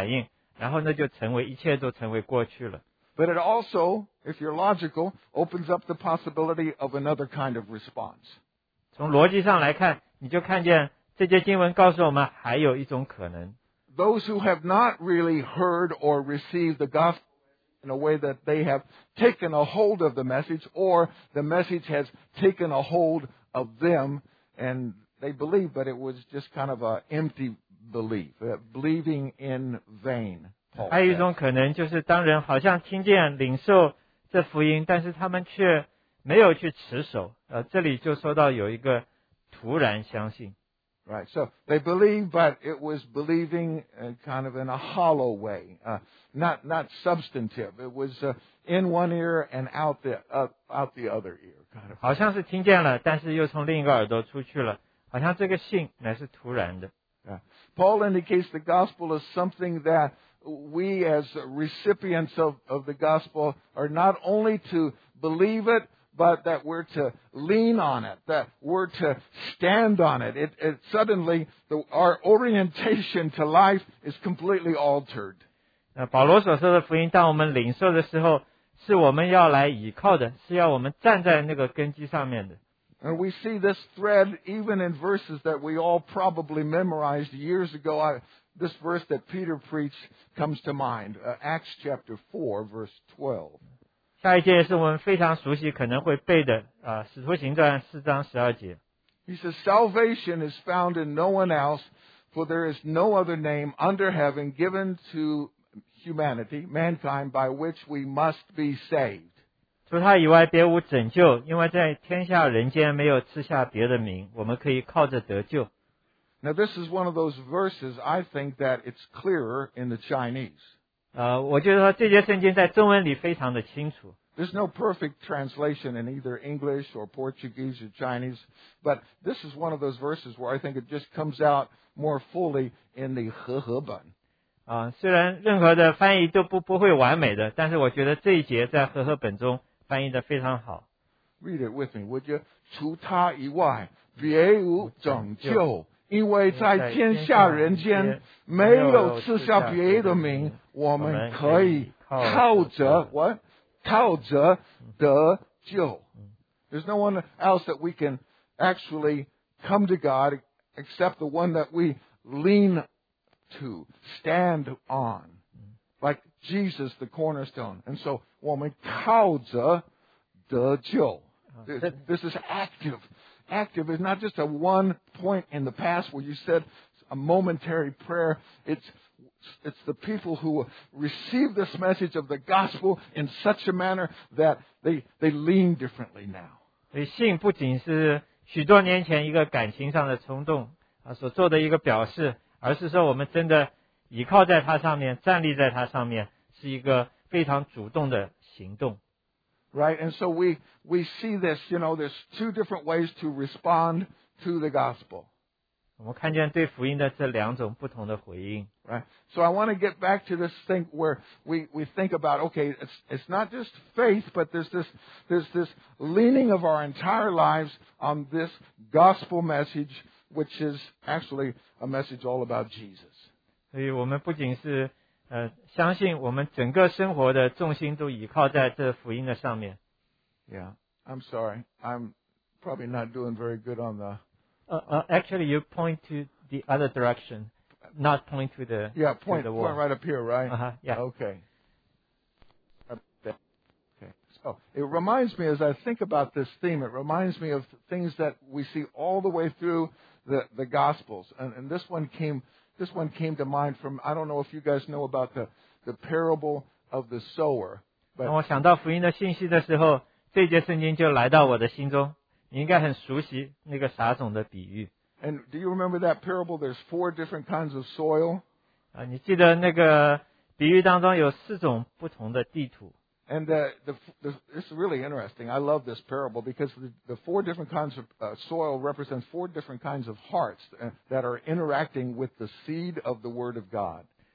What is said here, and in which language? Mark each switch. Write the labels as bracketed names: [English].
[Chinese] 对于我们来说，这不仅是过去，好像我们听见福音在情感里有一些反应，然后那就成为一切都成为过去了。But [English] it also, if you're logical, opens up the possibility of another kind of response. [Chinese] 从逻辑上来看，你就看见这节经文告诉我们还有一种可能。 [English] Those who have not really heard or received the gospel in a way that they have taken a hold of the message, or the message has taken a hold of them, and they believe, but it was just kind of an empty belief, believing in vain. [Chinese] 还有一种可能就是当人好像听见领受这福音，但是他们却没有去持守。这里就说到有一个突然相信。 [English] Right. So they believed, but it was believing kind of in a hollow way, not substantive. It was in one ear and out the other ear, kind of. [Chinese] 好像是听见了，但是又从另一个耳朵出去了，好像这个信乃是突然的。 [English] Yeah. Paul indicates the gospel is something that we as recipients of the gospel are not only to believe it, but that we're to lean on it, that we're to stand on it. It suddenly, our orientation to life is completely altered. [Chinese] 那保罗所说的福音，当我们领受的时候，是我们要来倚靠的，是要我们站在那个根基上面的。 [English] And we see this thread even in verses that we all probably memorized years ago. This verse that Peter preached comes to mind, Acts chapter 4, verse 12. [Chinese] 下一节是我们非常熟悉可能会背的使徒行传四章十二节。 [English] He says, salvation is found in no one else, for there is no other name under heaven given to humanity, mankind, by which we must be saved. [Chinese] 除他以外别无拯救，因为在天下人间没有赐下别的名，我们可以靠着得救。 [English] Now this is one of those verses I think that it's clearer in the Chinese. [Chinese] 我觉得说这节圣经在中文里非常的清楚。 [English] There's no perfect translation in either English or Portuguese or Chinese, but this is one of those verses where I think it just comes out more fully in the 和合本。 [Chinese] 虽然任何的翻译都不会完美的，但是我觉得这一节在和合本中。翻译得非常好。 [English] Read it with me, would you? [Chinese] 除他以外，别无拯救，因为在天下人间没有赐下别的名，我们可以靠着 what? 靠着得救。 [English] There's no one else that we can actually come to God except the one that we lean to, stand on. Like Jesus, the cornerstone. And so, [Chinese] 我们靠着得救。 [English] This is active. Active is not just a one point in the past where you said a momentary prayer. It's the people who receive this message of the gospel in such a manner that they lean differently now. [Chinese] 所以信不仅是许多年前一个感情上的冲动所做的一个表示，而是说我们真的倚靠在他上面，站立在他上面，是一个非常主动的行动。 [English] Right, and so we see this, you know, there's two different ways to respond to the gospel. [Chinese] 我们看见对福音的这两种不同的回应。 [English] Right, so I want to get back to this thing where we think about, okay, it's not just faith, but there's this leaning of our entire lives on this gospel message, which is actually a message all about Jesus. [Chinese] 所以我们不仅是相信我们整个生活的重心都倚靠在这福音的上面。 [English] Yeah, I'm sorry. I'm probably not doing very good on the... Actually, you point to the other direction, not point to the... Yeah, point right up here, right? Uh-huh, yeah. Okay. Okay. So, it reminds me, as I think about this theme, it reminds me of things that we see all the way through the Gospels. And this one came to mind from, I don't know if you guys know about the parable of the sower. [Chinese] 当我想到福音的信息的时候，这节圣经就来到我的心中。你应该很熟悉那个撒种的比喻。 [English] And do you remember that parable? There's four different kinds of soil. [Chinese] 你记得那个比喻当中有四种不同的地土。 [English] And this is really interesting. I love this parable because the four different kinds of soil represent four different kinds of hearts that are interacting with the seed of the Word of God.